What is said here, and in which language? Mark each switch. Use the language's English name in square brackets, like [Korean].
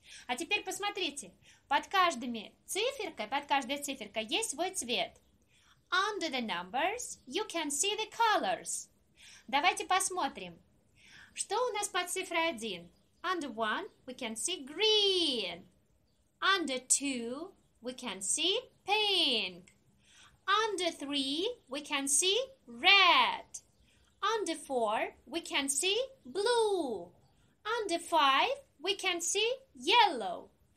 [Russian] А теперь посмотрите, под каждой циферкой есть свой цвет. [English] Under the numbers, you can see the colors. [Russian] Давайте посмотрим, что у нас под цифрой 1. [English] Under 1, we can see green. Under 2, we can see pink. Under 3, we can see red. Under 4, we can see blue. Under 5, we can see yellow.